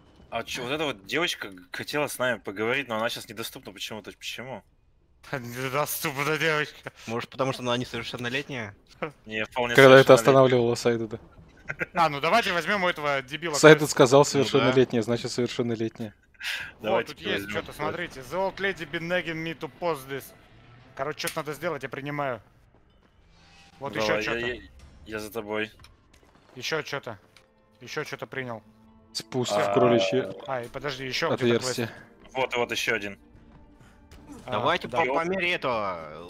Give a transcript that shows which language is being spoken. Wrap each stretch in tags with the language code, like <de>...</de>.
<ru>А че, вот эта вот девочка хотела с нами поговорить, но она сейчас недоступна почему-то, почему? Недоступна девочка. Может, потому что она несовершеннолетняя? Не, вполне. Когда это останавливало Сайдуда. А, ну давайте возьмем у этого дебила. Сайдуд сказал совершеннолетняя, значит совершеннолетняя. О, тут есть что-то, смотрите.</ru> <en>The old lady been nagging me to post this.</en> <ru>Короче, что-то надо сделать, я принимаю. Вот еще что-то. Я за тобой. Еще что-то. Еще что-то принял. Спуск в кроличье. А, и подожди, еще отверстие. Вот, вот еще один. Давайте по мере этого.</ru>